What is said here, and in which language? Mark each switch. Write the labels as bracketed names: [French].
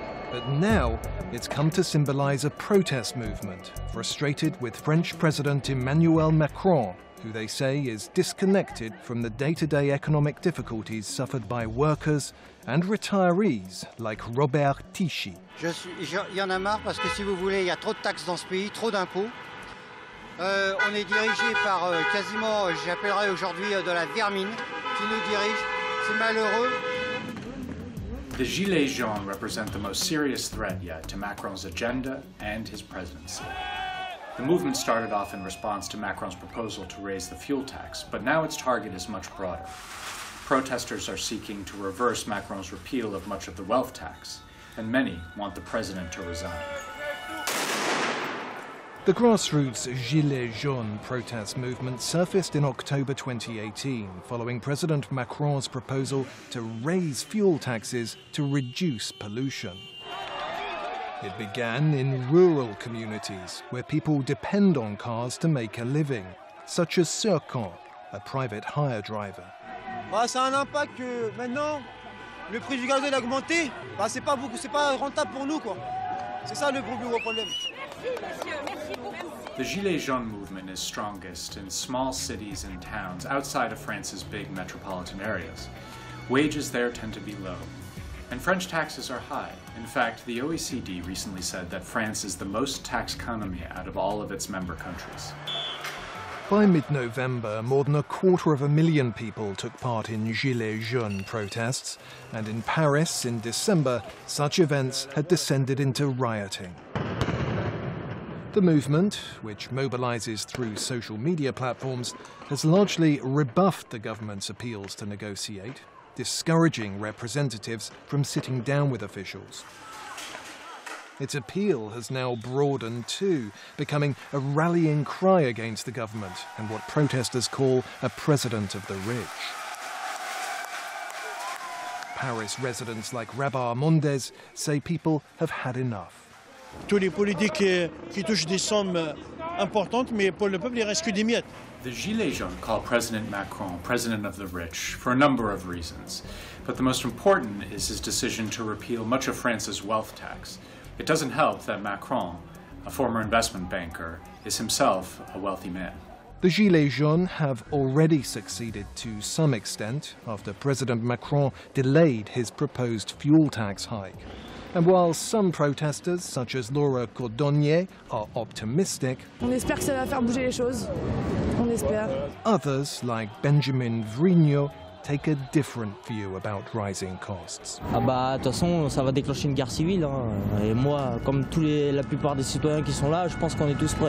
[English] But now, it's come to symbolize a protest movement, frustrated with French President Emmanuel Macron, who they say is disconnected from the day-to-day economic difficulties suffered by workers and retirees like Robert Tichy. [French] Y en a marre parce que si vous voulez, il y a trop de taxes dans ce pays, trop d'impôts. On est dirigé par quasiment, j'appellerai aujourd'hui, de la vermine qui nous dirige. C'est malheureux. [English] The Gilets jaunes represent the most serious threat yet to Macron's agenda and his presidency. The movement started off in response to Macron's proposal to raise the fuel tax, but now its target is much broader. Protesters are seeking to reverse Macron's repeal of much of the wealth tax, and many want the president to resign. The grassroots Gilets jaunes protest movement surfaced in October 2018 following President Macron's proposal to raise fuel taxes to reduce pollution. It began in rural communities where people depend on cars to make a living, such as Surcan, a private hire driver. [French] Bah, ça a un impact que maintenant le prix du gaz a augmenté. Bah, c'est pas beaucoup, c'est pas rentable pour nous, quoi. C'est ça le gros problème. Merci, monsieur. Merci beaucoup. [English] The Gilets jaunes movement is strongest in small cities and towns outside of France's big metropolitan areas. Wages there tend to be low. And French taxes are high. In fact, the OECD recently said that France is the most taxed economy out of all of its member countries. By mid-November, more than a quarter of a million people took part in Gilets jaunes protests. And in Paris in December, such events had descended into rioting. The movement, which mobilizes through social media platforms, has largely rebuffed the government's appeals to negotiate, discouraging representatives from sitting down with officials. Its appeal has now broadened too, becoming a rallying cry against the government and what protesters call a president of the rich. Paris residents like Rabah Mondes say people have had enough. [French] Tous les politiques qui touchent des sommes importantes, mais pour le peuple, il reste que des miettes. [English] The Gilets jaunes call President Macron president of the rich for a number of reasons, but the most important is his decision to repeal much of France's wealth tax. It doesn't help that Macron, a former investment banker, is himself a wealthy man. The Gilets jaunes have already succeeded to some extent after President Macron delayed his proposed fuel tax hike. And while some protesters, such as Laura Cordonnier, are optimistic, [French] on espère que ça va faire bouger les choses. On espère. [English] Others, like Benjamin Vrignot, take a different view about rising costs. [French] Ah bah, de toute façon, ça va déclencher une guerre civile. Hein. Et moi, comme tous les, la plupart des citoyens qui sont là, je pense qu'on est tous prêts.